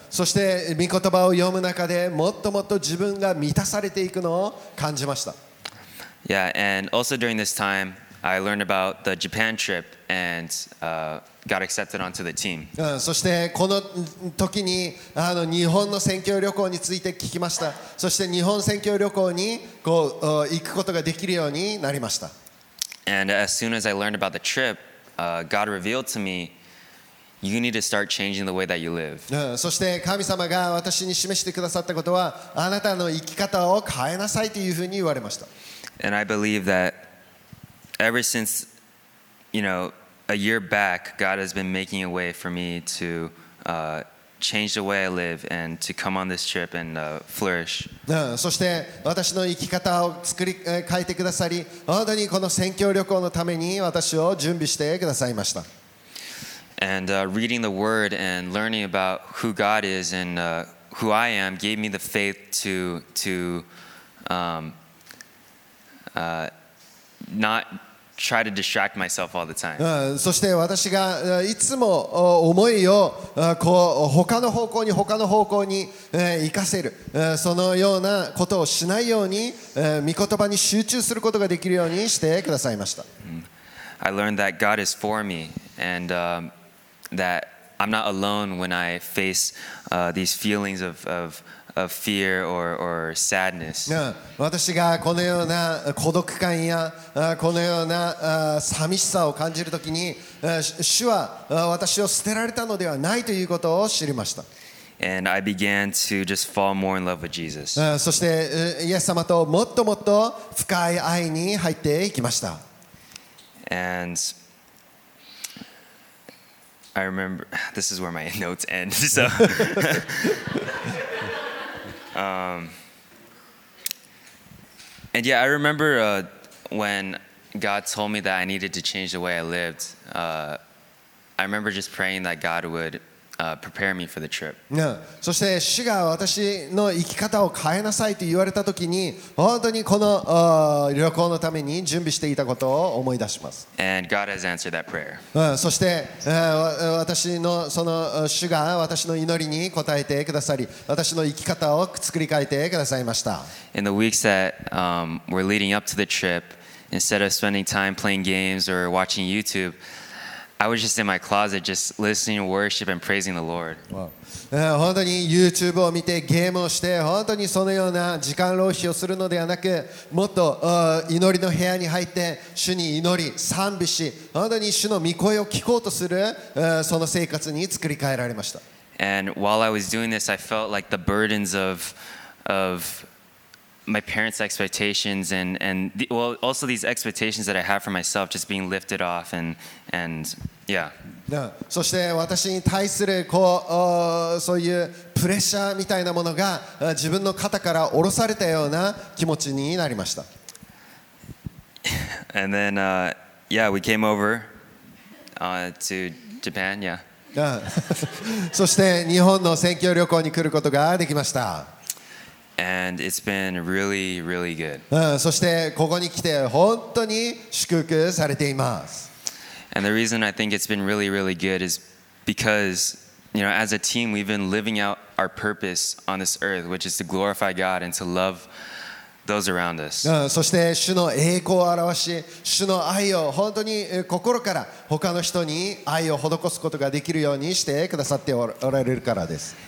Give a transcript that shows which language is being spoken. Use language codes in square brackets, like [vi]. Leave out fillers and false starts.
[ja] そして御言葉を読む中でもっともっと自分が満たされていくのを感じました。 [en] Yeah, and also during this time, I learned about the Japan trip and got accepted onto the team. [ja] そしてこの時に日本の宣教旅行について聞きました。そして日本宣教旅行にこう行くことができるようになりました。 [en] And as soon as I learned about the trip, God revealed to me, you need to start changing the way that you live. [ja] そして神様が私に示してくださったことは、あなたの生き方を変えなさいというふうに言われました。 [en] And I believe that ever since, you know, a year back, God has been making a way for me to, change the way I live and to come on this trip and flourish. [ja] そして私の生き方を作り変えてくださり、本当にこの宣教旅行のために私を準備してくださいました。 [en] And reading the word and learning about who God is and who I am gave me the faith to not try to distract myself all the time. [ja] そして私がいつも思いをこう他の方向に他の方向に行かせる、そのようなことをしないように御言葉に集中することができるようにしてくださいました。 [en] I learned that God is for me and that I'm not alone when I face these feelings of fear or sadness. [ja] 私がこのような孤独感やこのような寂しさを感じるときに、主は私を捨てられたのではないということを知りました。 [en] And I began to just fall more in love with Jesus. [ja] そして、イエス様ともっともっと深い愛に入っていきました。 [en] And I remember, this is where my notes end, so... I remember when God told me that I needed to change the way I lived. I remember just praying that God would prepare me for the trip. [ja] そして主が私の生き方を変えなさいと言われた時に、本当にこの旅行のために準備していたことを思い出します。 [en] And God has answered that prayer. [ja] そして私のその主が私の祈りに応えてくださり、私の生き方を作り変えてくださいました。 [en] In the weeks that were leading up to the trip, instead of spending time playing games or watching YouTube, I was just in my closet just listening to worship and praising the Lord. And while I was doing this, I felt like the burdens of my parents' expectations and also these expectations that I have for myself just being lifted off and yeah. [ja] そして私に対するこうそういうプレッシャーみたいなものが自分の肩から下ろされたような気持ちになりました。 [en] And then, yeah, we came over, to Japan, yeah. [ja] そして日本の選挙旅行に来ることができました。 [en] And it's been really, really good. [ja] そしてここに来て本当に祝福されています。 [en] And the reason I think it's been really, really good is because, you know, as a team, we've been living out our purpose on this earth, which is to glorify God and to love those around us. [ja] そして主の栄光を表し、主の愛を本当に心から他の人に愛を施すことができるようにしてくださっておられるからです。